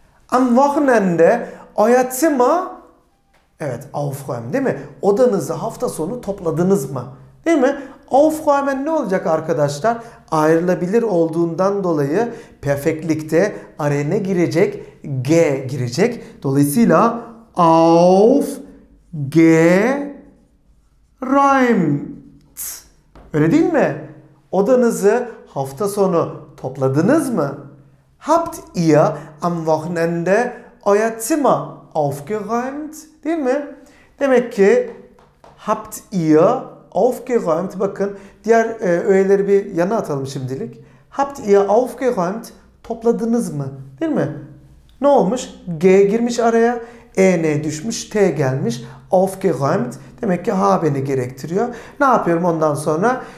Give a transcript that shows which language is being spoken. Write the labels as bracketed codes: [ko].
[de] Am Wochenende euer Zimmer, [tr] evet, [de] aufräumen, [tr] değil mi? Odanızı hafta sonu topladınız mı? Değil mi? Aufräumen ne olacak arkadaşlar? Ayrılabilir olduğundan dolayı perfektlikte araya ne girecek? G girecek. Dolayısıyla aufgeräumt. Öyle değil mi? Odanızı hafta sonu topladınız mı? [de] Habt ihr am Wochenende euer Zimmer aufgeräumt? [tr] Değil mi? Demek ki [de] habt ihr aufgeräumt? [tr] Bakın diğer öğeleri bir yana atalım şimdilik. [de] Habt ihr aufgeräumt? [tr] Topladınız mı? Değil mi? Ne olmuş? G girmiş araya. EN düşmüş. T gelmiş. Aufgeräumt. Demek ki haben'i gerektiriyor. Ne yapıyorum ondan sonra?